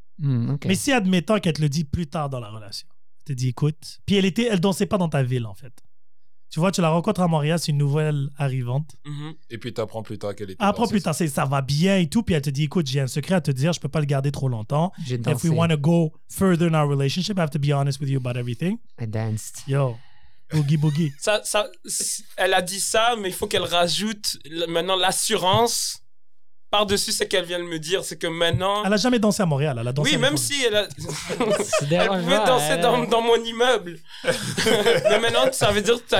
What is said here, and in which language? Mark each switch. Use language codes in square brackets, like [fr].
[en] Okay. [fr] Mais si, admettons qu'elle te le dit plus tard dans la relation, elle te dit, écoute, puis elle dansait pas dans ta ville, en fait. Tu vois, tu la rencontres à Montréal, c'est une nouvelle arrivante. Mm-hmm. Et puis, tu apprends plus tard qu'elle était apprends plus tard, c'est, ça va bien et tout. Puis, elle te dit, écoute, j'ai un secret à te dire, je peux pas le garder trop longtemps. J'ai dansé. [en] If we want to go further in our relationship, I have to be honest with you about everything. I danced. Yo, boogie boogie. [fr] Ça, elle a dit ça, mais il faut qu'elle rajoute maintenant l'assurance par-dessus ce qu'elle vient de me dire. C'est que maintenant... Elle a jamais dansé à Montréal. Elle a dansé oui, même si elle a... elle pouvait danser dans mon immeuble. Mais maintenant, ça veut dire...